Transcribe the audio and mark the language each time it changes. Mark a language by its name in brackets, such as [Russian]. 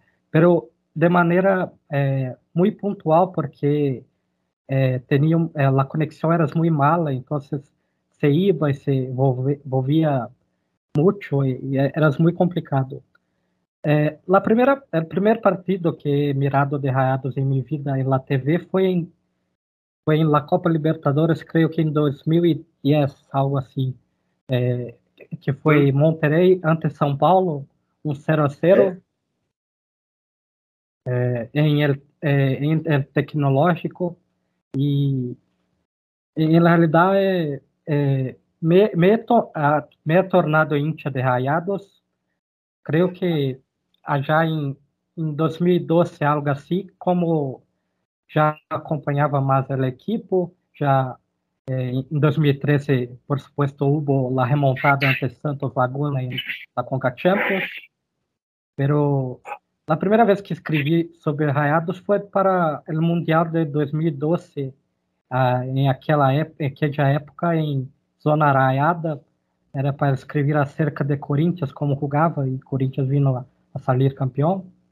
[Spanish] pero de manera muy puntual porque la conexión era muy mala, entonces se iba y se volvía mucho y era muy complicado. El primer partido que he mirado de Rayados en mi vida en la TV fue en la Copa Libertadores, creo que en 2010, algo así. [Portuguese] Que foi Monterrey ante São Paulo, 0-0, em tecnológico, e em realidade [Spanish] me he tornado hincha de Rayados, [Portuguese] creio que já em 2012, algo assim, como já acompanhava mais a equipe, já em 2013, [Spanish] por supuesto, hubo la remontada ante Santos Laguna en la Conca Champions. Pero la primera vez que escribí sobre Rayados fue para el Mundial de 2012, aquella época, en Zona Rayada. Era para escribir acerca de Corinthians, cómo jugaba, y Corinthians vino a salir campeón.